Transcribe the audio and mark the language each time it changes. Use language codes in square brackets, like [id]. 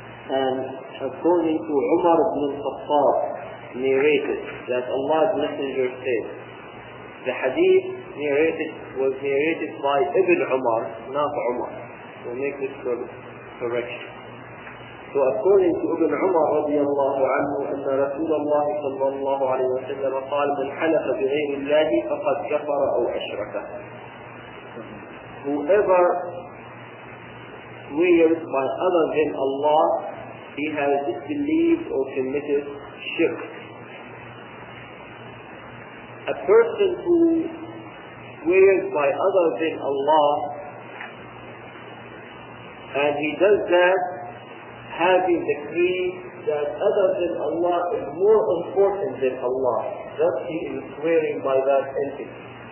[en] And according to Umar ibn al-Khattab, narrated that Allah's Messenger said, the hadith was narrated by Ibn Umar, not Umar. We'll make this correction. So according to Ibn Umar radiallahu anhu, [ar] أن رسول الله صلى الله عليه وسلم قال من حلف بغير الله فقد كفر أو أشرك. [en] Whoever swears by other than Allah, he has disbelieved or committed shirk. A person who swears by other than Allah, and he does that having the creed that other than Allah is more important than Allah, thus he is swearing by that entity.